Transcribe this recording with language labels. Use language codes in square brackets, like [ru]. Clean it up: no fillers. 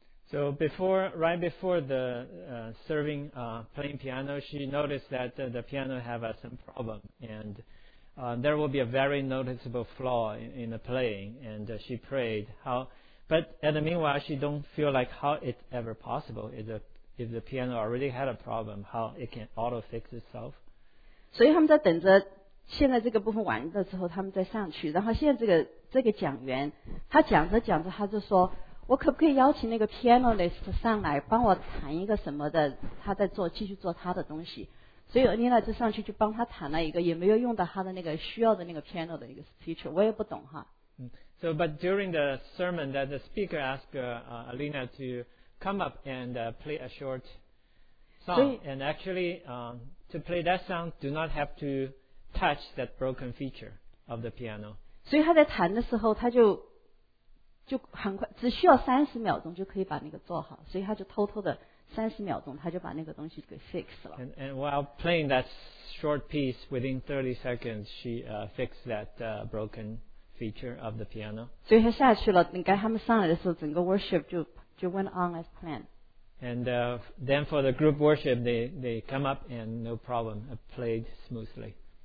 [en] so right before the serving playing piano she noticed that the piano have some problem and there will be a very noticeable flaw in the playing and she prayed how but in the meanwhile she don't feel like how it's ever possible if the piano already had a problem how it can auto fix itself [zh] 所以他们在等着现在这个部分完的时候他们再上去然后现在这个讲员他讲着讲着他就说我可不可以邀请那个 pianist 上来帮我弹一个什么的他在做继续做他的东西所以 Alina 就上去就帮他弹了一个也没有用到他的那个需要的那个 piano 的一个 feature 我也不懂哈 [en] So but during the sermon that the speaker asked Alina to come up and play a short song and actually to play that song do not have to touch that broken feature of the piano. [zh] 所以他在弹的时候他就很快只需要30秒钟就可以把那个做好所以他就偷偷的30秒钟他就把那个东西给 fix 了。 [en] And while playing that short piece within 30 seconds, she fixed that broken feature of the piano. [zh] 所以他下去了等该他们上来的时候整个 worship 就 [en] went on as planned. And then for the group worship, they come up and no problem, played smoothly.